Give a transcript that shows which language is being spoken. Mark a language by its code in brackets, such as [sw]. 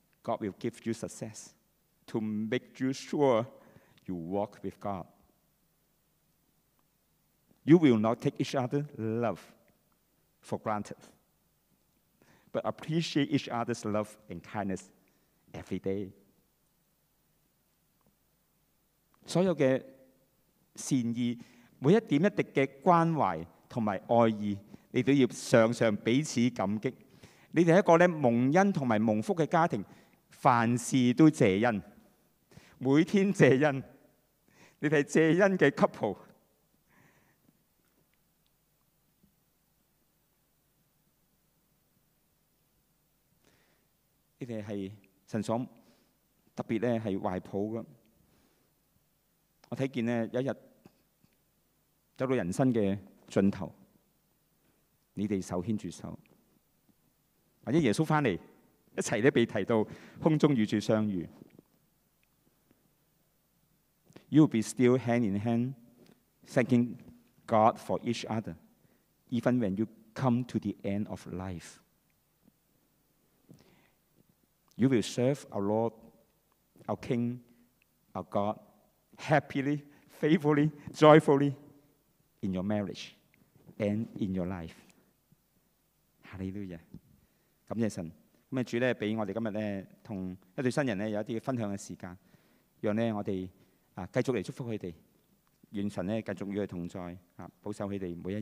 [en] God will give you success to make you sure you walk with God. You will not take each other's love for granted, but appreciate each other's love and kindness every day. [zh] 所有的善意, 每一点一滴的关怀和爱意, 你都要常常彼此感激。你们是一个蒙恩和蒙福的家庭, 凡事都谢恩, 每天谢恩, 你们是谢恩的couple。你们是神所特别怀抱的。我看见一天走到人生的尽头, 你们手牵着手, 或者耶稣回来, 一起被提到空中与主相遇。 [en] You will be still hand in hand, thanking God for each other, even when you come to the end of life. You will serve our Lord, our King, our God, happily, faithfully, joyfully in your marriage and in your life. [zh] Hallelujah. 感謝神。主給我們今天和一對新人有一些分享的時間, 讓我們繼續來祝福他們, 願神繼續與他們同在, 保守他們每一日。